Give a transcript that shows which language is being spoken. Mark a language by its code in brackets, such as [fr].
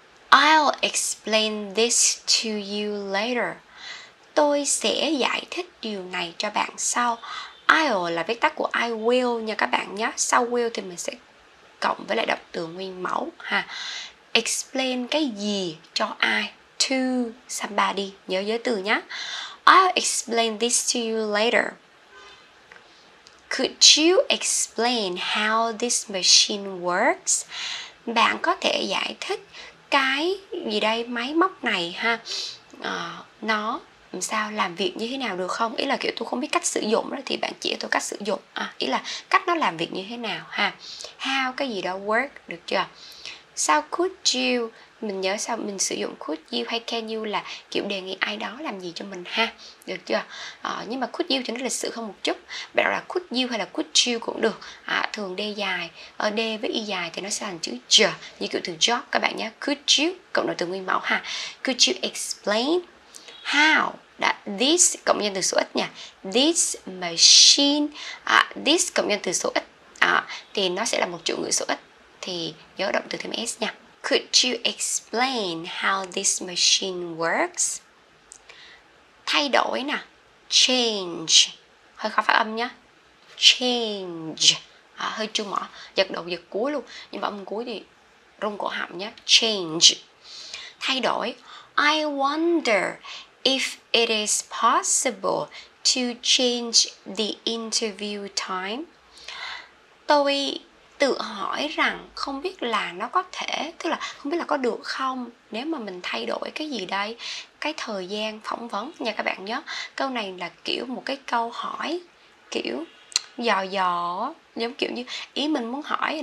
[en] I'll explain this to you later. [vi] Tôi sẽ giải thích điều này cho bạn sau. I'll là viết tắt của I will nha các bạn nhé. Sau will thì mình sẽ cộng với lại động từ nguyên mẫu ha. Explain cái gì cho ai? To somebody. Nhớ giới từ nhé. [en] I'll explain this to you later. Could you explain how this machine works? [vi] Bạn có thể giải thích cái gì đây, máy móc này ha. Nó sao làm việc như thế nào được không? Ý là kiểu tôi không biết cách sử dụng đó, thì bạn chỉ tôi cách sử dụng. Ý là cách nó làm việc như thế nào ha. How cái gì đó work, được chưa? Sao could you, mình nhớ sao mình sử dụng could you hay can you là kiểu đề nghị ai đó làm gì cho mình ha, được chưa? Nhưng mà could you thì nó lịch sự hơn một chút. Bạn là could you hay là could you cũng được. Thường d dài, d với y dài thì nó sẽ thành chữ ja, như kiểu từ job các bạn nhé. Could you cộng đầu từ nguyên mẫu ha. Could you explain how đã this cộng nhân từ số ít nha. This machine, this cộng nhân từ số ít thì nó sẽ là một chủ ngữ số ít, thì nhớ động từ thêm s nha. [en] Could you explain how this machine works? [vi] Thay đổi nè, change, hơi khó phát âm nhá, change, hơi chu mỏ, giật đầu giật cuối luôn, nhưng mà âm cuối thì rung cổ họng nhá, change, thay đổi. [en] I wonder if it is possible to change the interview time. [vi] Tôi tự hỏi rằng không biết là nó có thể, tức là không biết là có được không nếu mà mình thay đổi cái gì đây, cái thời gian phỏng vấn nha các bạn nhớ. Câu này là kiểu một cái câu hỏi kiểu dò dò, giống kiểu như ý mình muốn hỏi.